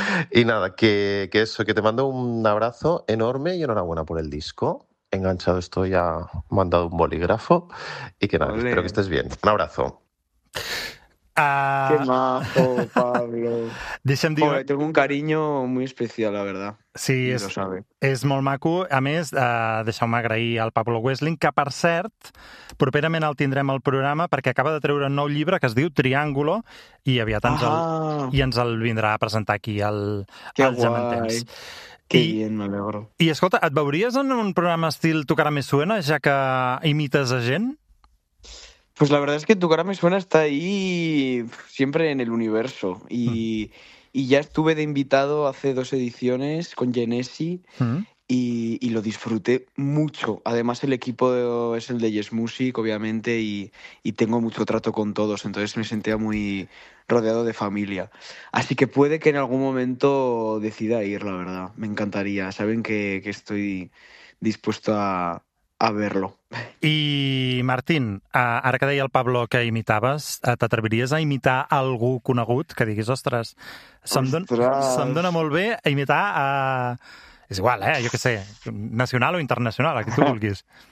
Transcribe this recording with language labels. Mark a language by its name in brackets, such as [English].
[Spanish] Y nada, que eso, que te mando un abrazo enorme y enhorabuena por el disco. Enganchado estoy, ya mandado un bolígrafo. Y que nada, ¡olé! Espero que estés bien. Un abrazo. Qué majo, Pablo. [Catalan] Deixa'm dir... [Spanish] Joder, tengo un cariño muy especial, la verdad. [Catalan] Sí, és molt maco. A més, deixeu-me agrair al Pablo Wessling, que, per cert, properament el tindrem al programa perquè acaba de treure un nou llibre que es diu Triàngulo i aviat ens el vindrà a presentar aquí al Gementens. [Spanish] Que bien, me alegro. [Catalan] I escolta, et veuries en un programa estil Tocara Me Suena, ja que imites a gent? [Spanish] Pues la verdad es que Tocara Me Suena está ahí siempre en el universo y... Y ya estuve de invitado hace 2 ediciones con Genesi y lo disfruté mucho. Además, el equipo es el de Yes Music, obviamente, y tengo mucho trato con todos. Entonces me sentía muy rodeado de familia. Así que puede que en algún momento decida ir, la verdad. Me encantaría. Saben que estoy dispuesto a verlo. [Catalan] I Martín, ara que deia el Pablo que imitaves, t'atreviries a imitar algú conegut que diguis, ostres, se'm dona molt bé imitar a... És igual, jo què sé, nacional o internacional, el que tu vulguis.